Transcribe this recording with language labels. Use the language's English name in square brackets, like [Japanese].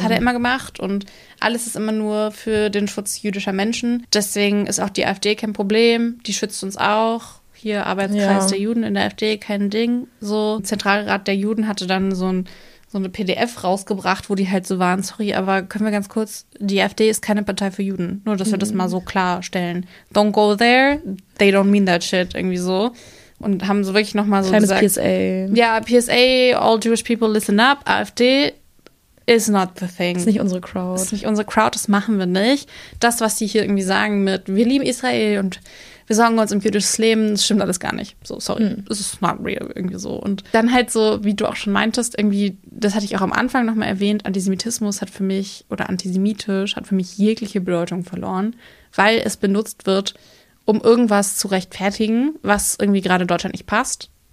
[German] Das hat er immer gemacht und alles ist immer nur für den Schutz jüdischer Menschen, deswegen ist auch die AfD kein Problem, die schützt uns auch. Hier Arbeitskreis der Juden in der AfD, kein Ding. So, Zentralrat der Juden hatte dann so eine PDF rausgebracht, wo die halt so waren, sorry, aber können wir ganz kurz, die AfD ist keine Partei für Juden. Nur, dass wir das mal so klarstellen. [English] Don't go there, they don't mean that shit, [German] irgendwie so. Und haben so wirklich nochmal so kleines gesagt. [English] PSA. Ja, PSA, all Jewish people listen up, AfD is not the thing. [German] Ist nicht unsere Crowd. Ist nicht unsere Crowd, das machen wir nicht. Das, was die hier irgendwie sagen mit, wir lieben Israel und wir sorgen uns um jüdisches Leben, das stimmt alles gar nicht. So, sorry, das ist [English] not real [German] irgendwie so. Und dann halt so, wie du auch schon meintest, irgendwie, das hatte ich auch am Anfang nochmal erwähnt, Antisemitismus hat für mich, oder antisemitisch, hat für mich jegliche Bedeutung verloren, weil es benutzt wird, um irgendwas zu rechtfertigen, was irgendwie gerade in Deutschland nicht passt.